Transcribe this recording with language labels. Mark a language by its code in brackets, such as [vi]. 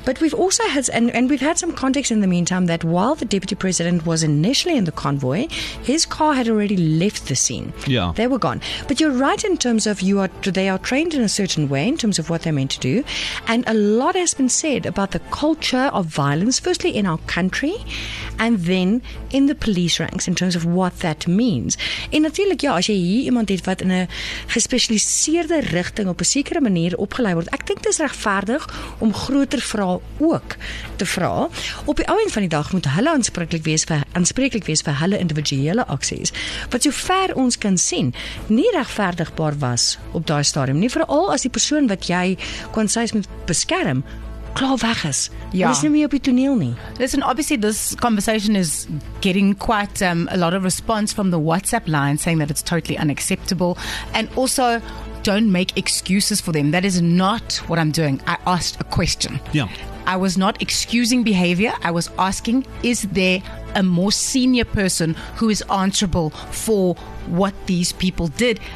[en] But we've also had, and we've had some context in the meantime, that while the deputy president was initially in the convoy, his car had already left the scene. Yeah. They were gone. But you're right in terms of they are trained in a certain way in terms of what they're meant to do. And a lot has been said about the culture of violence, firstly in our country, and then in the police ranks in terms of what that means. [af] En natuurlijk, ja, as jy hier iemand het wat in 'n gespesialiseerde rigting op 'n sekere manier opgelei word, ek dink dit is regverdig om groter vrae ook te vra. Op die ou end van die dag moet hulle aanspreeklik wees vir hulle individuele aksies, wat so ver ons kan sien, nie regverdigbaar was op daai stadium nie, vooral as die persoon wat jy kon sies moet beskerm, klaar weg is. Ja. Dis nie meer op die toneel nie. [en] Listen, obviously this conversation is getting quite a lot of response from the WhatsApp line saying that it's totally unacceptable. And also, don't make excuses for them. That is not what I'm doing. I asked a question. Yeah. I was not excusing behavior. I was asking, is there a more senior person who is answerable for what these people did?